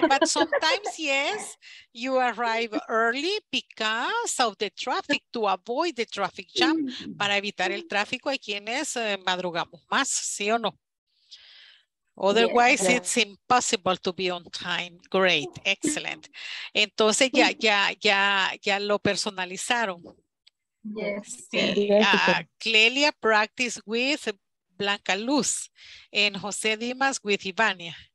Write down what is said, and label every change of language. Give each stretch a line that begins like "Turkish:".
English: But sometimes, yes, you arrive early because of the traffic, to avoid the traffic jam.
Spanish: Para evitar el tráfico, hay quienes madrugamos más, ¿sí o no?
English: Otherwise, yes, it's impossible to be on time. Great, excellent.
Spanish: Entonces ya lo personalizaron.
English: Yes.
Spanish: Sí.
English: Clelia practice with Blanca Luz and José Dimas with Ivania.